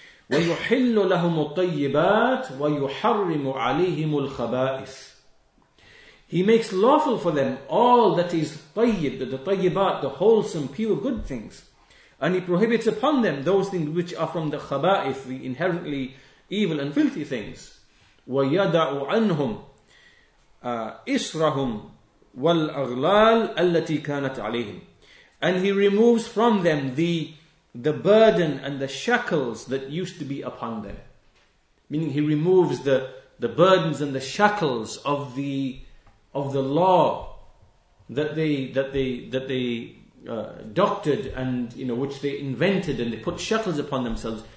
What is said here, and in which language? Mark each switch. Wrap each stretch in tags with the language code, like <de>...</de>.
<ar>ويحل لهم الطيبات ويحرم عليهم الخبائث.</ar> <en>He makes lawful for them all that is طيب, the طيبات, the wholesome, pure, good things, and he prohibits upon them those things which are from the خبائث, the inherently evil and filthy things.</en> <ar>ويدع عنهم إسرهم والأغلال التي كانت عليهم.</ar> <en>And he removes from them the burden and the shackles that used to be upon them. Meaning he removes the burdens and the shackles of the law that they doctored and, you know, which they invented, and they put shackles upon themselves.</en>